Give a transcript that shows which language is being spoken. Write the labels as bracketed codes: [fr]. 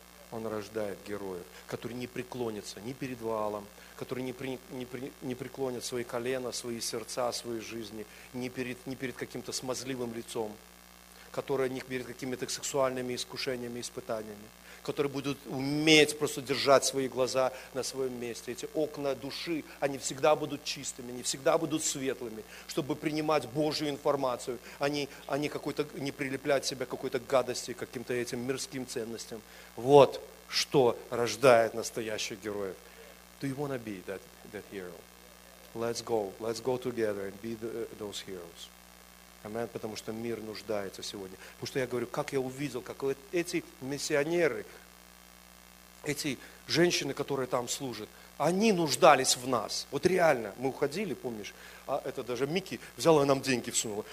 [ru] Он рождает героев, которые не преклонятся ни перед валом, которые не преклонят свои колена, свои сердца, свои жизни, ни перед каким-то смазливым лицом, которые не перед какими-то сексуальными искушениями, испытаниями, которые будут уметь просто держать свои глаза на своем месте. Эти окна души, они всегда будут чистыми, они всегда будут светлыми, чтобы принимать Божью информацию, они какой-то, не прилеплять себя к какой-то гадости, к каким-то этим мирским ценностям. Вот что рождает настоящих героев. [en] Do you want to be that hero? Let's go together and be those heroes. [ru] Амин, потому что мир нуждается сегодня. Потому что я говорю, как я увидел, как эти миссионеры, эти женщины, которые там служат, они нуждались в нас. Вот реально, мы уходили, помнишь, а это даже Микки взяла нам деньги, всунула.